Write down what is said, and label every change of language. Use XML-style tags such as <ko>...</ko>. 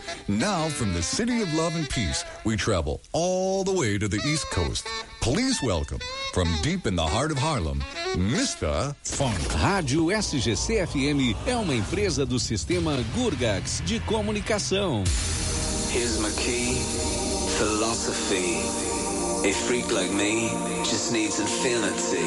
<en>Now, from the City of Love and Peace, we travel all the way to the East Coast. Please welcome, from deep in the heart of Harlem, Mr. Funk.</en> <pt>Rádio SGC-FM é uma empresa do sistema Gurgax de comunicação.</pt> <en>Here's my key, philosophy. A freak like me just needs infinity.</en>